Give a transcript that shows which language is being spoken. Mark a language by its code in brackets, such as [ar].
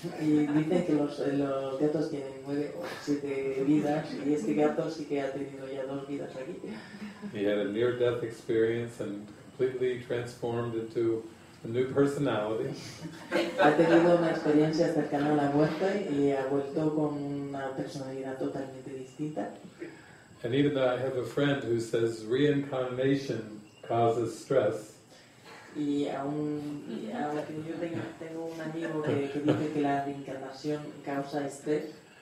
[es] Y dicen que los gatos tienen 7 vidas, y este gato sí que ha tenido ya 2 vidas aquí. [en] He had a near-death experience and completely transformed into a new personality. [es] Ha tenido una experiencia cercana a la muerte y ha vuelto con una personalidad totalmente distinta. [en] And even though I have a friend who says reincarnation causes stress. [es] Y aunque yo tengo un amigo que dice que la reencarnación causa estrés.